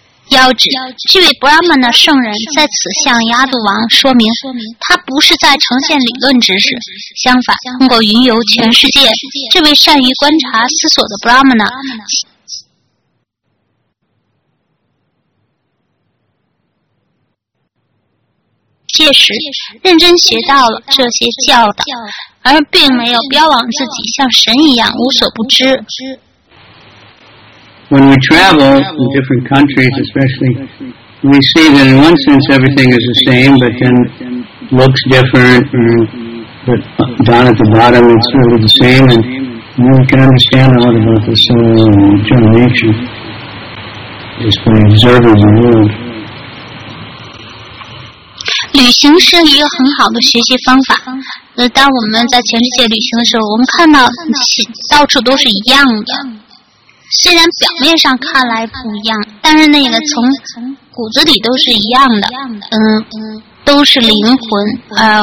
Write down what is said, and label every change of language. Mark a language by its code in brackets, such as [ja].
[zh] 要指这位 Brahman 的圣人在此向亚度王说明，他不是在呈现理论知识，相反，通过云游全世界，这位善于观察思索的 Brahman 呢，届时认真学到了这些教导，而并没有标榜自己像神一样无所不知。 [en] When we travel in different countries, especially, we see that in one sense everything is the same, but then looks different, but down at the bottom it's really the same, and we can understand a lot about the soul and general nature just by observing the world. [zh] 旅行是一个很好的学习方法。当我们在全世界旅行的时候，我们看到到处都是一样的。虽然表面上看来不一样，但是那个从骨子里都是一样的，都是灵魂。